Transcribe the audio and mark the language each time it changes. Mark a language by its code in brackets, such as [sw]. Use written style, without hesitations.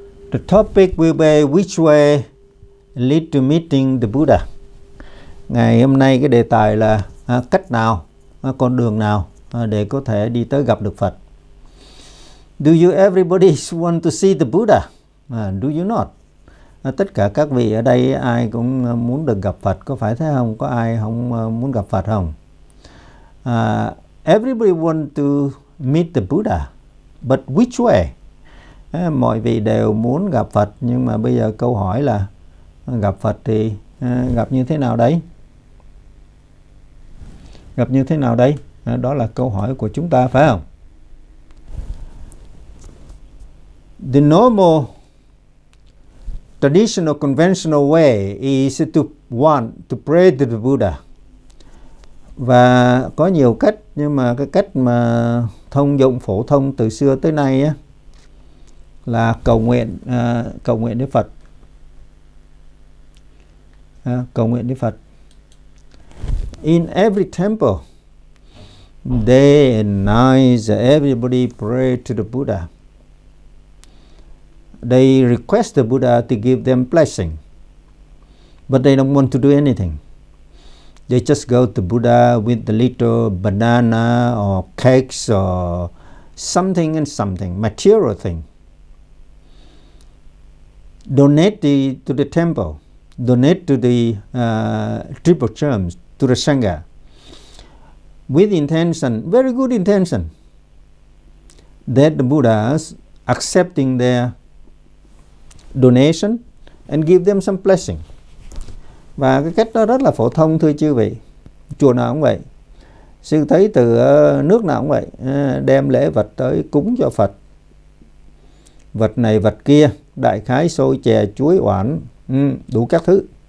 [en] The topic will be which way lead to meeting the Buddha. [vi] Ngày hôm nay cái đề tài là cách nào, con đường nào để có thể đi tới gặp được Phật. [en] Do you everybody want to see the Buddha? Do you not? [vi] Tất cả các vị ở đây ai cũng muốn được gặp Phật, có phải thế không? Có ai không muốn gặp Phật không? [en] Everybody want to meet the Buddha, but which way? [vi] Mọi vị đều muốn gặp Phật, nhưng mà bây giờ câu hỏi là gặp Phật thì gặp như thế nào đấy? Gặp như thế nào đấy? Đó là câu hỏi của chúng ta, phải không? [en] The normal traditional conventional way is to want to pray to the Buddha. [vi] Và có nhiều cách, nhưng mà cái cách mà thông dụng phổ thông từ xưa tới nay á là cầu nguyện đến Phật. Cầu nguyện đến Phật. [en] In every temple, day and night, everybody pray to the Buddha. They request the Buddha to give them blessing. But they don't want to do anything. They just go to Buddha with the little banana or cakes or something and something, material thing. Donate to the temple, donate to the triple germs, to the Sangha, with intention, very good intention, that the Buddha is accepting their donation and give them some blessing. [vi] Và cái cách đó rất là phổ thông, thưa chư vị. Chùa nào cũng vậy. Sư thấy từ nước nào cũng vậy, đem lễ vật tới cúng cho Phật. Vật này, vật kia, đại khái, xôi, chè, chuối, oản, đủ các thứ.